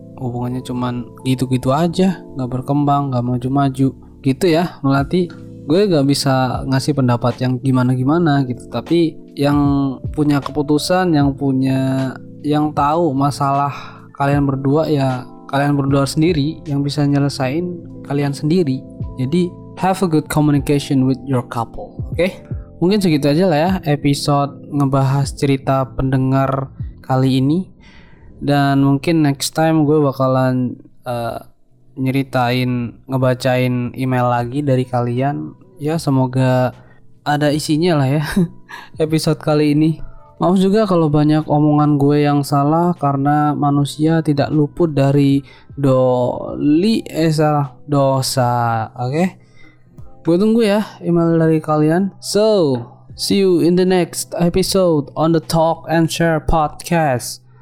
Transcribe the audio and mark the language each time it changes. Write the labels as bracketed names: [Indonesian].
[Indonesian] Hubungannya cuman gitu-gitu aja, gak berkembang, gak maju-maju. Gitu ya Melati, gue gak bisa ngasih pendapat yang gimana-gimana gitu. Tapi yang punya keputusan, yang tahu masalah kalian berdua ya kalian berdua sendiri, yang bisa nyelesain kalian sendiri. Jadi [English] have a good communication with your couple, [Indonesian] oke? Mungkin segitu aja lah ya episode ngebahas cerita pendengar kali ini. Dan mungkin [English] next time [Indonesian] gue bakalan nyeritain, ngebacain email lagi dari kalian. Ya semoga ada isinya lah ya episode kali ini. Maaf juga kalau banyak omongan gue yang salah, karena manusia tidak luput dari dosa, oke? Gue tunggu ya email dari kalian. [English] So, see you in the next episode on the Talk and Share podcast.